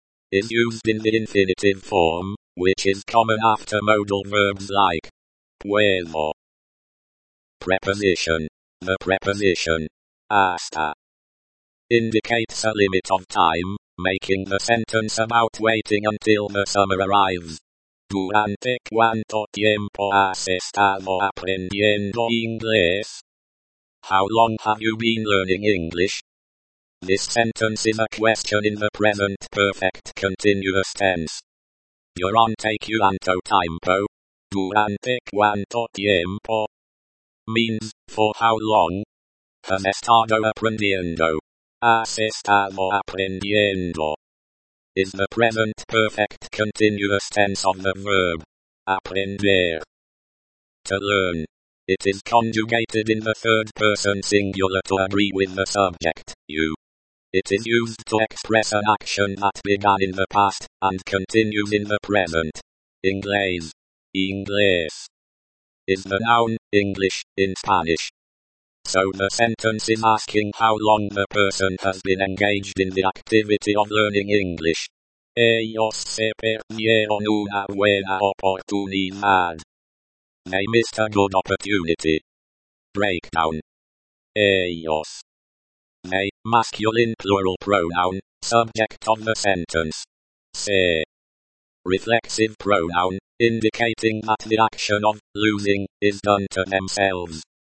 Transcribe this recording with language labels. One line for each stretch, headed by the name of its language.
English: Is used in the infinitive form, which is common after modal verbs like. Puedo. Preposition. The preposition. Hasta. Indicates a limit of time, making the sentence about waiting until the summer arrives.
Spanish: ¿Durante cuánto tiempo has estado aprendiendo inglés?
English: How long have you been learning English? This sentence is a question in the present perfect continuous tense.
Spanish: Durante cuánto tiempo? Durante cuánto tiempo?
English: Means, for how long?
Spanish: Has estado aprendiendo? Has estado aprendiendo?
English: Is the present perfect continuous tense of the verb aprender to learn. It is conjugated in the third person singular to agree with the subject, you. It is used to express an action that began in the past and continues in the present. Inglés. Inglés is the noun, English, in Spanish. So the sentence is asking how long the person has been engaged in the activity of learning English.
Spanish: Ellos se perdieron una buena oportunidad.
English: They missed a good opportunity. Breakdown. Ellos. They, masculine plural pronoun, subject of the sentence. Se. Reflexive pronoun, indicating that the action of losing is done to themselves.